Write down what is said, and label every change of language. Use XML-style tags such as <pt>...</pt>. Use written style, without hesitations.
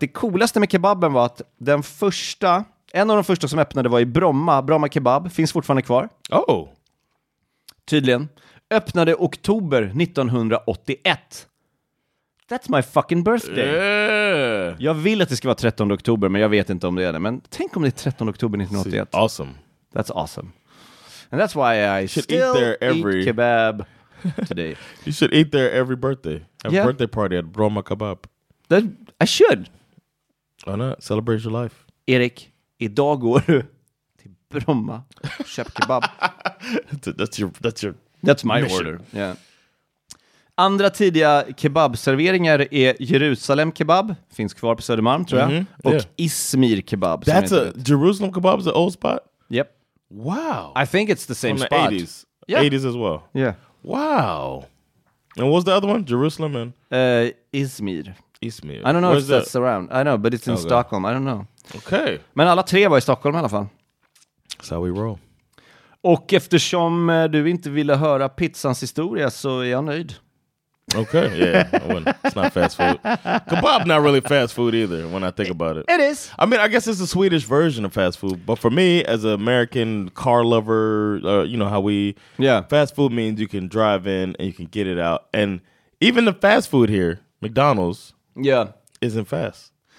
<sv>Det coolaste med kebaben var att den första, en av de första som öppnade var i Bromma. Bromma kebab finns fortfarande kvar.</sv> <en>Oh!</en> <sv>Tydligen. Öppnade oktober 1981.</sv> <en>That's my fucking birthday.</en> <sv>Jag vill att det ska vara 13 oktober, men jag vet inte om det är det. Men tänk om det är 13 oktober 1981.</sv> <en>See, awesome. That's awesome. And that's why I should still eat, there every... eat kebab. Today. You should eat there every birthday. Have a birthday party at Bromma Kebab. That, I should. Why not? Celebrate your life.</en> <sv>Erik, idag går du till Bromma och köp kebab.</sv> <en>That's your That's my mission. Order. Yeah.</en> <sv>Andra tidiga kebabserveringar är Jerusalem kebab. Finns kvar på Södermalm, tror jag. Mm-hmm. Och Izmir kebab.</sv> <en>That's a Jerusalem kebab is the old spot? Yep. Wow. I think it's the same from spot. The 80s. Yeah. 80s as well. Yeah. Wow. And what's the other one? Jerusalem and... Izmir. Izmir. I don't know. Where's if that? That's around. I know, but it's in Stockholm. I don't know. Okay.</en> <sv>Men alla tre var i Stockholm i alla fall.</sv> <en>That's how we roll.</en> <sv>Och eftersom du inte ville höra pizzans historia så är jag nöjd.</sv> <en>Okay, yeah. It's not fast food. Kebab not really fast food either when I think about it. It is. I mean, I guess it's a Swedish version of fast food. But for me, as an American car lover, you know how we... Yeah. Fast food means you can drive in and you can get it out. And even the fast food here, McDonald's, isn't fast.</en>